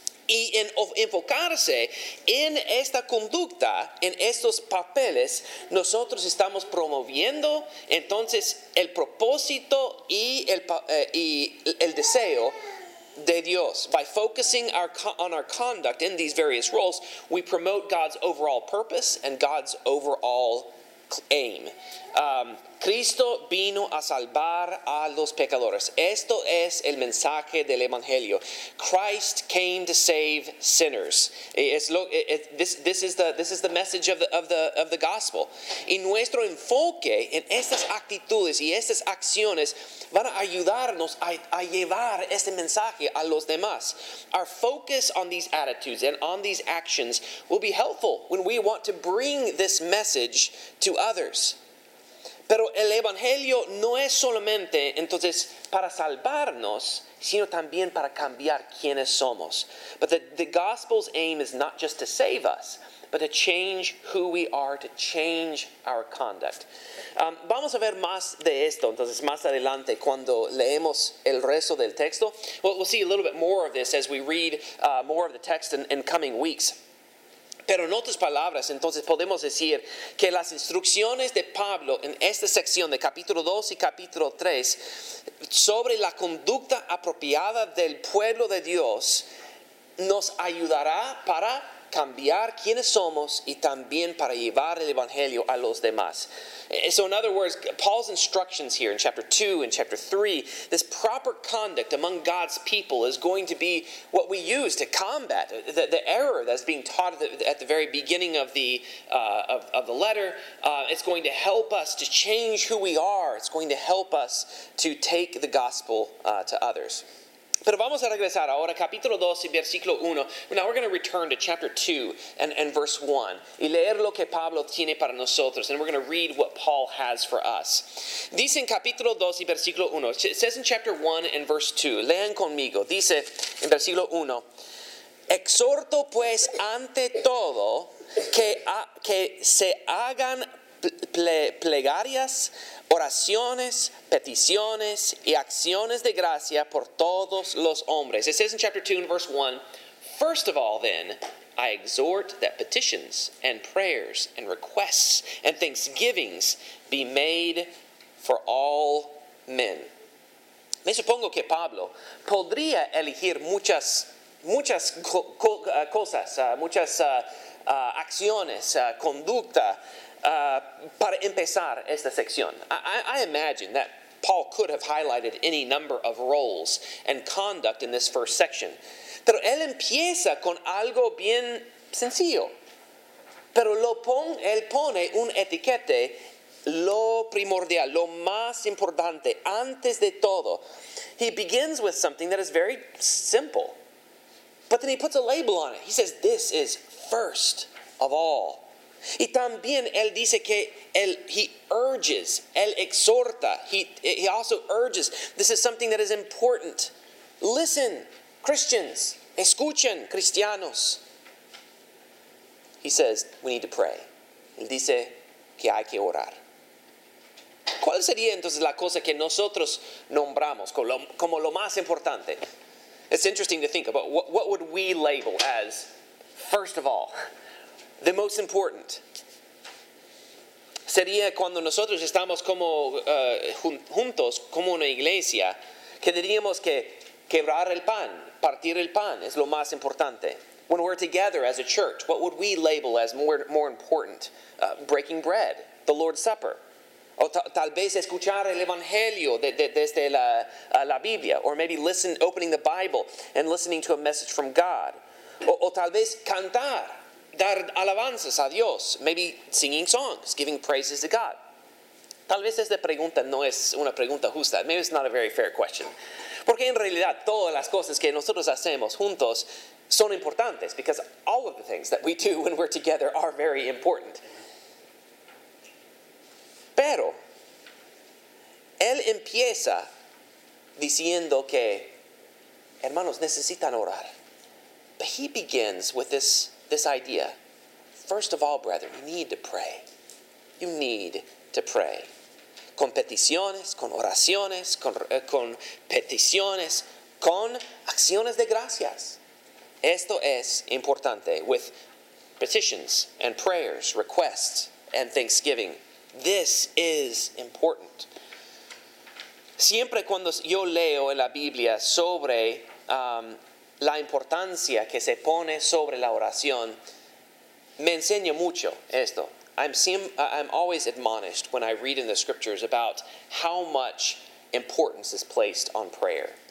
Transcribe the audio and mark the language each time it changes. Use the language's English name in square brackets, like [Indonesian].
[Spanish] Y en enfocarse en esta conducta, en estos papeles, nosotros estamos promoviendo entonces el propósito y el deseo de Dios. [English] By focusing on our conduct in these various roles, we promote God's overall purpose and God's overall aim. [Spanish] Cristo vino a salvar a los pecadores. Esto es el mensaje del Evangelio. [English] Christ came to save sinners. This is the message of the gospel. [Spanish] Y nuestro enfoque en estas actitudes y estas acciones van a ayudarnos a llevar este mensaje a los demás. [English] Our focus on these attitudes and on these actions will be helpful when we want to bring this message to others. [Spanish] Pero el Evangelio no es solamente, entonces, para salvarnos, sino también para cambiar quiénes somos. [English] But the gospel's aim is not just to save us, but to change who we are, to change our conduct. [Spanish] Vamos a ver más de esto, entonces, más adelante, cuando leemos el resto del texto. [English] We'll see a little bit more of this as we read more of the text in coming weeks. [Spanish] Pero en otras palabras, entonces podemos decir que las instrucciones de Pablo en esta sección de capítulo 2 y capítulo 3 sobre la conducta apropiada del pueblo de Dios nos ayudará para cambiar quiénes somos y también para llevar el evangelio a los demás. [English] So in other words, Paul's instructions here in chapter 2 and chapter 3, this proper conduct among God's people is going to be what we use to combat the error that's being taught at the very beginning of the letter. It's going to help us to change who we are. It's going to help us to take the gospel to others. [Spanish] Pero vamos a regresar ahora, capítulo 2, versículo 1. [English] Now we're going to return to chapter 2 and verse 1. [Spanish] Y leer lo que Pablo tiene para nosotros. [English] And we're going to read what Paul has for us. [Spanish] Dice en capítulo 2, versículo 1. [English] It says in chapter 1 and verse 2. [Spanish] Lean conmigo. Dice en versículo 1. Exhorto pues ante todo que se hagan plegarias, oraciones, peticiones, y acciones de gracia por todos los hombres. [English] It says in chapter 2 and verse 1, first of all then, I exhort that petitions and prayers and requests and thanksgivings be made for all men. [Spanish] Me supongo que Pablo podría elegir muchas acciones, conducta, para empezar esta sección. [English] I imagine that Paul could have highlighted any number of roles and conduct in this first section. [Spanish] Pero él empieza con algo bien sencillo. Pero él pone un etiquete, lo primordial, lo más importante, antes de todo. [English] He begins with something that is very simple. But then he puts a label on it. He says, this is first of all. [Spanish] Y también él dice que [English] he urges, [Spanish] él exhorta, [English] he also urges. This is something that is important. Listen, Christians, [Spanish] escuchen, cristianos. [English] He says, we need to pray. [Spanish] Él dice que hay que orar. ¿Cuál sería entonces la cosa que nosotros nombramos como lo más importante? [English] It's interesting to think about what would we label as, first of all, the most important. [Spanish] sería cuando nosotros estamos como juntos como una iglesia, que diríamos que quebrar el pan, partir el pan es lo más importante. [English] When we're together as a church, what would we label as more important? Breaking bread, the Lord's Supper. [Spanish] O tal vez escuchar el evangelio desde la Biblia, [English] or maybe listen, opening the Bible and listening to a message from God. [Spanish] O tal vez cantar, dar alabanzas a Dios, [English] maybe singing songs, giving praises to God. [Spanish] Tal vez esta pregunta no es una pregunta justa. [English] Maybe it's not a very fair question. [Spanish] Porque en realidad todas las cosas que nosotros hacemos juntos son importantes, [English] because all of the things that we do when we're together are very important. [Spanish] Pero él empieza diciendo que hermanos necesitan orar. [English] But he begins with this idea. First of all, brethren, you need to pray. You need to pray. [Spanish] Con peticiones, con oraciones, con peticiones, con acciones de gracias. Esto es importante. [English] With petitions and prayers, requests and thanksgiving. This is important. [Spanish] Siempre cuando yo leo en la Biblia sobre la importancia que se pone sobre la oración, me enseña mucho esto. [English] I'm always admonished when I read in the scriptures about how much importance is placed on prayer.